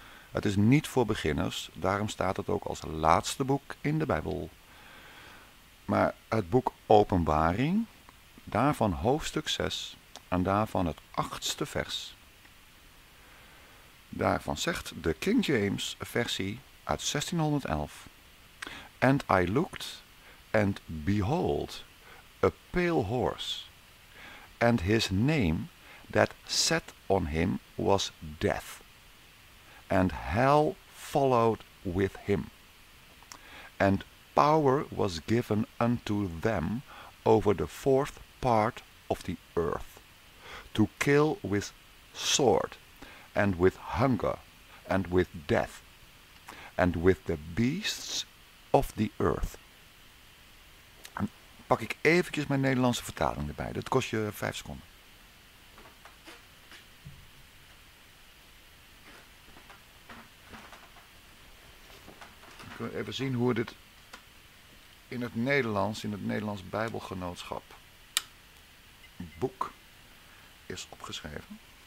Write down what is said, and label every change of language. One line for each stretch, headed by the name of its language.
Dutch: Het is niet voor beginners. Daarom staat het ook als laatste boek in de Bijbel. Maar het boek Openbaring, daarvan hoofdstuk 6. En daarvan het achtste vers. Daarvan zegt de King James versie uit 1611.
English: And I looked, and behold, a pale horse. And his name that sat on him was death. And hell followed with him. And power was given unto them over the fourth part of the earth. To kill with sword, and with hunger, and with death, and with the beasts of the earth.
Dutch: En pak ik eventjes mijn Nederlandse vertaling erbij, dat kost je 5 seconden. Dan kunnen we even zien hoe dit in het Nederlands Bijbelgenootschap boek is opgeschreven.